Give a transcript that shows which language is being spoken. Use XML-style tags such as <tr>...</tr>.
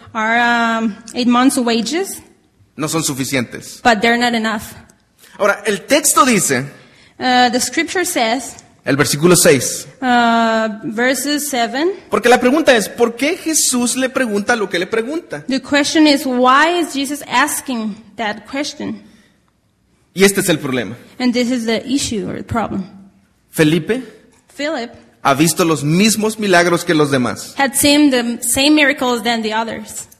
<en>Are 8 months' wages.</en> <es>No son suficientes.</es> <en>But they're not enough.</en> <es>Ahora, el texto dice.</es> <en>The scripture says.</en> <es>El versículo 6.</es> <en>Verses 7.</en> <es>Porque la pregunta es, ¿por qué Jesús le pregunta lo que le pregunta?</es> <en>The question is, why is Jesus asking that question?</en> <es>Y este es el problema.</es> <en>And this is the issue or the problem.</en> <es>Felipe.</es> <en>Philip.</en> <es>Ha visto los mismos milagros que los demás.</es> <en>Had seen the same miracles than the others.</en>